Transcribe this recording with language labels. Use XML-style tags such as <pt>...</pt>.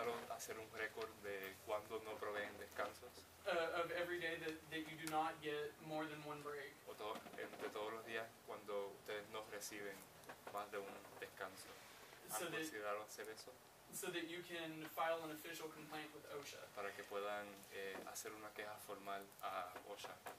<es>hacer un récord de cuando no proveen descansos?</es> <en>Of every day that you do not get more than one break.</en> <es>O entre todos los días cuando ustedes no reciben más de un descanso.</es> <en>So that you can file an official complaint with OSHA.</en> <es>Para que puedan hacer una queja formal a OSHA.</es>